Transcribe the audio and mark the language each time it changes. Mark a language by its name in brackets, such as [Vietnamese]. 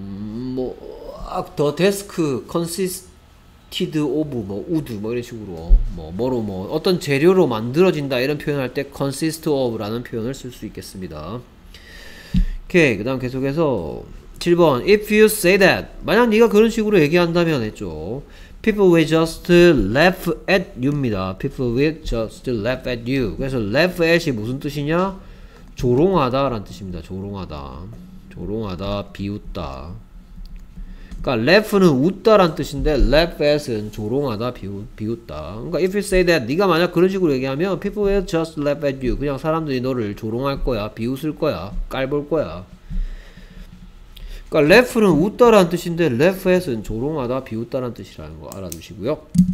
[Korean] 뭐 the desk consisted of 뭐 wood 뭐 이런 식으로 뭐 어떤 재료로 만들어진다 이런 표현을 할 때 consist of라는 표현을 쓸 수 있겠습니다. 오케이, 그 다음 계속해서 7번 [English] if you say that [Korean] 만약 네가 그런 식으로 얘기한다면 했죠. [English] People will just laugh at you입니다. People will just laugh at you. [Korean] 그래서 laugh at이 무슨 뜻이냐? 조롱하다 라는 뜻입니다. 조롱하다, 비웃다. 그러니까 laugh는 웃다 라는 뜻인데 laugh at은 조롱하다, 비웃다. [English] 그러니까 if you say that, [Korean] 네가 만약 그런 식으로 얘기하면 [English] people will just laugh at you. [Korean] 그냥 사람들이 너를 조롱할 거야, 비웃을 거야, 깔볼 거야. 그러니까 laugh는 웃다 라는 뜻인데 laugh at은 조롱하다, 비웃다 라는 뜻이라는 거 알아두시고요.